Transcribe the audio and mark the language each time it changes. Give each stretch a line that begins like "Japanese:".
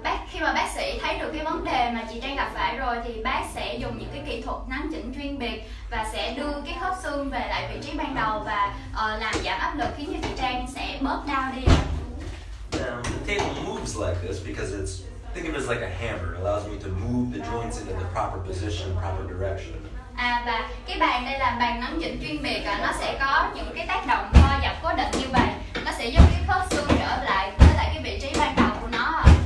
Vietnamese: Khi mà bác sĩ thấy được cái vấn đề mà chị Trang gặp phải rồi thì bác sẽ dùng những cái kỹ thuật nắn chỉnh chuyên biệt và sẽ đưa cái khớp xương về lại vị trí ban đầu và làm giảm áp lực khiến cho chị Trang sẽ bớt đau đi.
English: Now the table moves like this because it's, think of it as like a hammer. It allows me to move the joints into the proper position, proper direction.
Vietnamese: Và cái bàn đây là bàn nắn chỉnh chuyên biệt, nó sẽ có những cái tác động co giật cố định như vậy, nó sẽ giúp cái khớp xương trở lại tới lại cái vị trí ban đầu của nó.